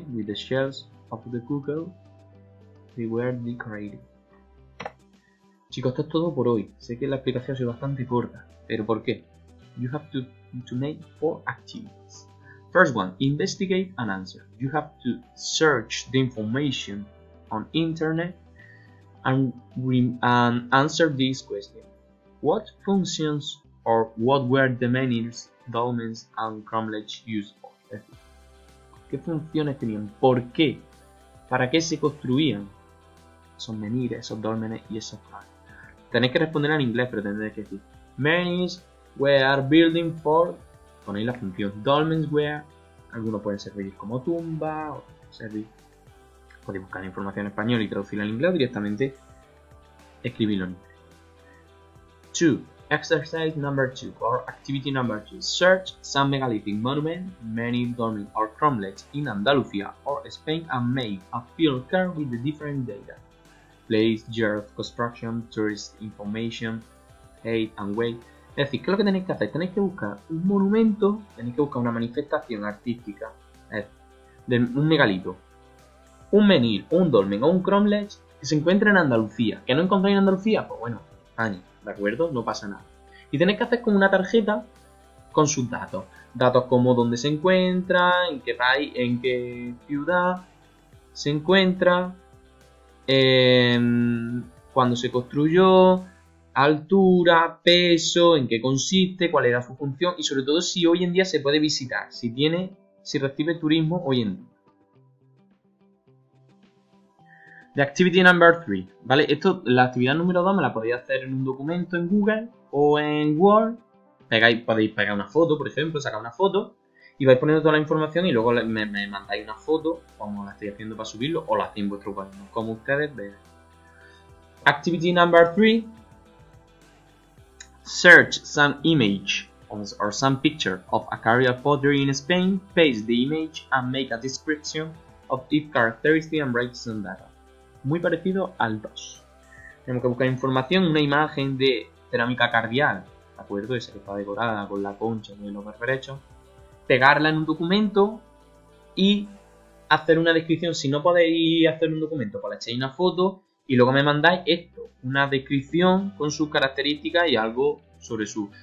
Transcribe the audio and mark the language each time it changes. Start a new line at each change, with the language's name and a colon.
English: With the shells of the cuckoo, they were decorated.
Spanish: Chicos, esto es todo por hoy. Sé que la explicación ha sido bastante corta, pero ¿por qué?
English: You have to make four activities. First one, investigate an answer. You have to search the information on internet and answer this question. What functions or what were the menhirs, dolmens and cromlechs used for?
Spanish: ¿Qué funciones tenían? ¿Por qué? ¿Para qué se construían esos menhirs, esos dolmenes y esos cromlechs? Tenéis que responder en inglés, pero tendréis que decir
English: menhirs were building for,
Spanish: ponéis la función
English: dolmens were,
Spanish: algunos pueden servir como tumba, o servir, podéis buscar la información en español y traducirla al inglés, directamente escribirlo en inglés.
English: 2. Exercise number 2, or activity number 2. Search some megalithic monument, many dolmens or cromlechs in Andalucía or Spain and make a field card with the different data. Place, year of construction, tourist information, height and weight.
Spanish: Es decir, ¿qué es lo que tenéis que hacer? Tenéis que buscar un monumento, tenéis que buscar una manifestación artística, es decir, de un megalito, un menhir, un dolmen o un cromlech que se encuentre en Andalucía. ¿Que no encontráis en Andalucía? Pues bueno, año, ¿de acuerdo? No pasa nada. Y tenéis que hacer con una tarjeta con sus datos. Datos como dónde se encuentra, en qué país, en qué ciudad se encuentra, cuándo se construyó, altura, peso, en qué consiste, cuál era su función y sobre todo si hoy en día se puede visitar, si recibe turismo hoy en día.
English: The activity number 3,
Spanish: ¿vale? Esto, la actividad número 2 me la podéis hacer en un documento en Google o en Word. Podéis pegar una foto, por ejemplo, sacar una foto y vais poniendo toda la información y luego me mandáis una foto, como la estoy haciendo para subirlo, o la hacéis en vuestro cuaderno, como ustedes vean.
English: Activity number 3. Search some image or some picture of a cardial pottery in Spain, paste the image and make a description of its characteristics and write some data.
Spanish: Muy parecido al 2. Tenemos que buscar información, una imagen de cerámica cardial, ¿de acuerdo? Esa que está decorada con la concha y los berberechos. Pegarla en un documento y hacer una descripción. Si no podéis hacer un documento, pues le echéis una foto. Y luego me mandáis esto, una descripción con sus características y algo sobre su...